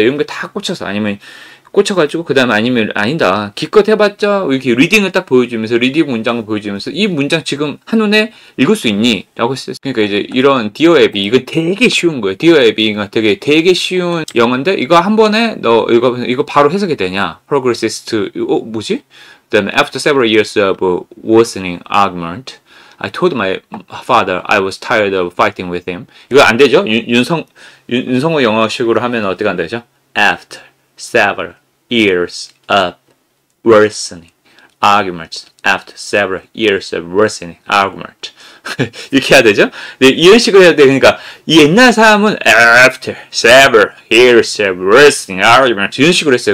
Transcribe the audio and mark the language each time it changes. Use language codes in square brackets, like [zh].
[ko] 이런 게 다 꽂혀서, 아니면 꽂혀가지고 그 다음에 아니면 아니다 기껏 해봤자, 이렇게 리딩을 딱 보여주면서, 리딩 문장을 보여주면서 이 문장 지금 한눈에 읽을 수 있니? 라고 했어요. 그러니까 이제 이런 디어 에비, 이거 되게 쉬운 거예요. 디어 에비가 되게 쉬운 영어인데, 이거 한 번에 너 이거 바로 해석이 되냐? [en] Progress to, [ko] 뭐지? [en] Then after several years of worsening argument, I told my father I was tired of fighting with him. [ko] 이거 안 되죠? 윤성호 영어식으로 하면 어떻게 안 되죠? [en] After several years of worsening arguments. After several years of worsening argument. [ko] 이렇게 해야 되죠? 네, 이런 식으로 해야 되니까, 이 옛날 사람은 [en] after several years of worsening argument. [ko] 이런 식으로 했어요.